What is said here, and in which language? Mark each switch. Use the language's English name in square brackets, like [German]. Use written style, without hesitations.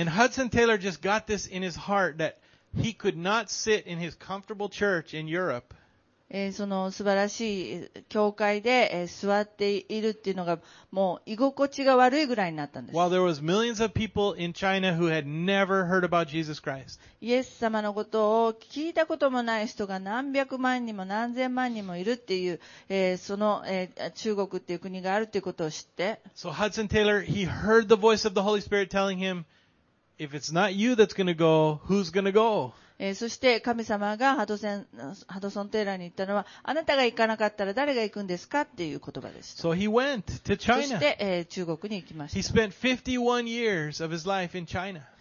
[English] And Hudson Taylor just got this in his heart that he could not sit in his comfortable church in Europe. [Japanese] その素晴らしい教会で座っているっていうのがもう居心地が悪いぐらいになったんです。 [English] While there was millions of people in China who had never heard about Jesus Christ. [Japanese] イエス様のことを聞いたこともない人が何百万人も何千万人もいるっていう、その中国っていう国があるっていうことを知って。 [English] So Hudson Taylor, he heard the voice of the Holy Spirit telling him, if it's not you that's gonna go, who's gonna go? [Japanese] そして神様がハドソン・テイラーに言ったのは、あなたが行かなかったら誰が行くんですかっていう言葉でした。 [English] So he went to China. [Japanese] そして、中国に行きました。 [English] He spent 51 years of his life in China.